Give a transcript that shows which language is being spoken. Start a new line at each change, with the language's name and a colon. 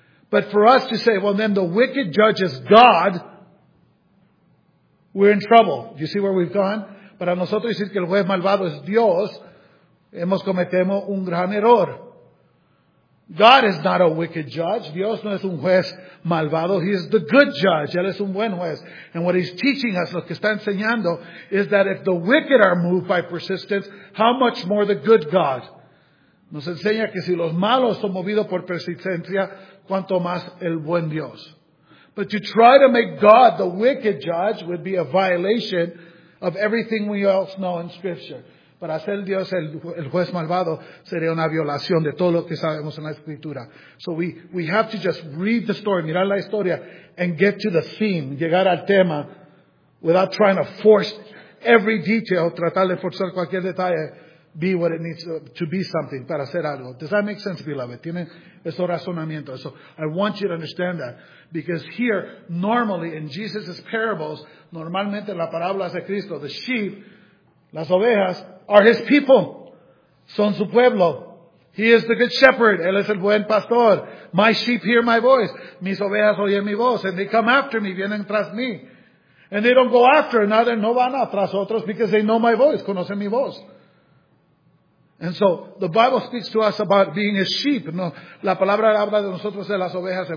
English: But for us to say, well, then the wicked judges God, we're in trouble. Do you see where we've gone?
Spanish: Para nosotros decir que el juez malvado es Dios, hemos cometido un gran error.
English: God is not a wicked judge.
Spanish: Dios no es un juez malvado.
English: He is the good judge.
Spanish: Él es un buen juez.
English: And what he's teaching us,
Spanish: lo que está enseñando,
English: is that if the wicked are moved by persistence, how much more the good God?
Spanish: Nos enseña que si los malos son movidos por persistencia, cuanto más el buen Dios.
English: But to try to make God the wicked judge would be a violation of everything we else know in Scripture.
Spanish: Para hacer Dios el juez malvado sería una violación de todo lo que sabemos en la Escritura.
English: So we have to just read the story,
Spanish: mirar la historia,
English: and get to the theme,
Spanish: llegar al tema,
English: without trying to force every detail,
Spanish: tratar de forzar cualquier detalle,
English: be what it needs to be something,
Spanish: para hacer algo.
English: Does that make sense, beloved?
Spanish: Tiene ese razonamiento.
English: So I want you to understand that. Because here, normally, in Jesus' parables,
Spanish: normalmente en las parábolas de Cristo,
English: the sheep,
Spanish: las ovejas,
English: are his people.
Spanish: Son su pueblo.
English: He is the good shepherd.
Spanish: Él es el buen pastor.
English: My sheep hear my voice.
Spanish: Mis ovejas oyen mi voz.
English: And they come after me.
Spanish: Vienen tras mí.
English: And they don't go after another.
Spanish: No van atrás otros
English: because they know my voice.
Spanish: Conocen mi voz.
English: And so, the Bible speaks to us about being a sheep.
Spanish: No, la palabra habla de nosotros de las ovejas.